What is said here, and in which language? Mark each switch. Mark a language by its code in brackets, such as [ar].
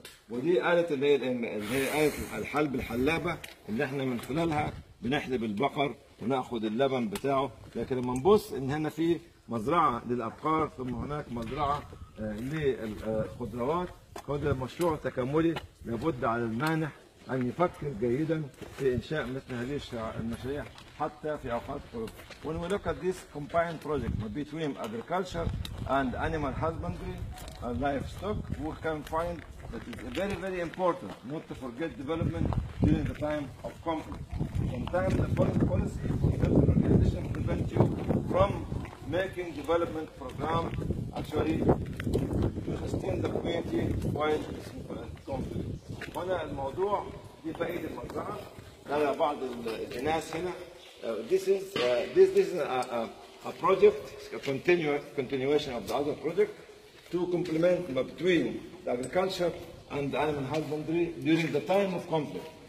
[ar] ودي آلة اللي هي آلة الحلب الحلابة اللي احنا من خلالها بنحلب البقر وناخذ اللبن بتاعه. لكن لما نبص ان هنا في مزرعة للأبقار ثم هناك مزرعة للخضروات، هذا مشروع تكاملي لابد على المانح أن يفكر جيدا في إنشاء مثل هذه المشاريع حتى في أوقات الحروب. [en] When we look at this combined project between agriculture and animal husbandry and livestock, we can find that it's very very important not to forget development during the time of conflict. Sometimes the foreign policy of the organization prevents you from making development program actually to sustain the community while it's in conflict. [ar] هنا الموضوع دي بقية المزرعة، نرى بعض الناس هنا. [en] This is a project, a continuation of the other project to complement between the agriculture and the animal husbandry during the time of conflict.